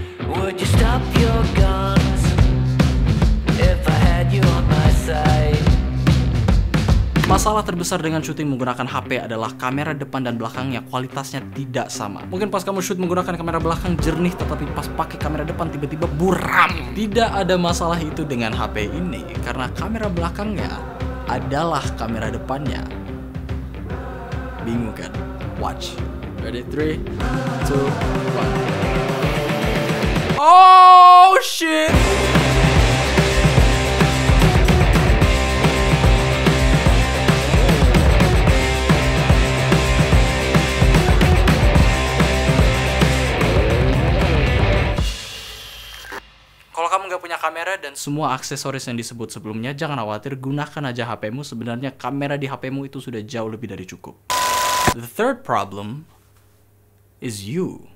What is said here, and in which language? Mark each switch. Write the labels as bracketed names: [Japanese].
[English] Would you stop your guns if I had you on my side? [Indonesian] Masalah terbesar dengan syuting menggunakan HP adalah kamera depan dan belakangnya kualitasnya tidak sama. Mungkin pas kamu shoot menggunakan kamera belakang jernih, tetapi pas pakai kamera depan tiba-tiba buram. Tidak ada masalah itu dengan HP ini, karena kamera belakangnya adalah kamera depannya. Bingung kan? [English] Watch. Ready? 3, 2, 1. Oh shit! [Indonesian] Punya kamera dan semua aksesoris yang disebut sebelumnya, jangan khawatir, gunakan aja HP-mu. Sebenarnya kamera di HP-mu itu sudah jauh lebih dari cukup. [English] The third problem is you.